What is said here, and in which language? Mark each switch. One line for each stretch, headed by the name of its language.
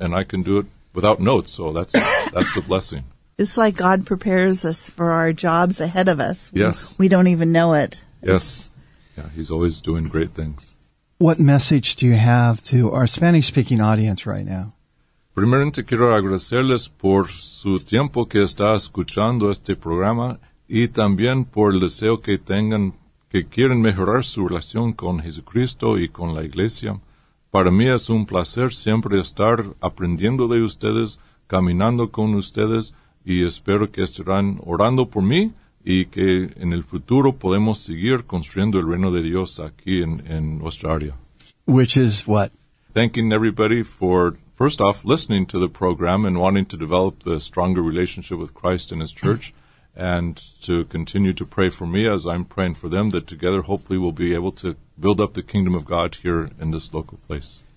English: And I can do it without notes, so that's the blessing. It's like God prepares us for our jobs ahead of us. Yes. We don't even know it. Yes. Yeah, he's always doing great things. What message do you have to our Spanish-speaking audience right now?
Spanish: Primeramente quiero agradecerles por su tiempo que está escuchando este programa y también por el deseo que tengan que quieren mejorar su relación con Jesucristo y con la Iglesia. Para mí es un placer siempre estar aprendiendo de ustedes, caminando con ustedes, y espero que estarán orando por mí y que en el futuro podemos seguir construyendo el reino de Dios aquí en nuestra área.
English: Which is what? Thanking everybody for, first off, listening to the program and wanting to develop a stronger relationship with Christ and His church, and to continue to pray for me as I'm praying for them, that together hopefully we'll be able to build up the kingdom of God here in this local place.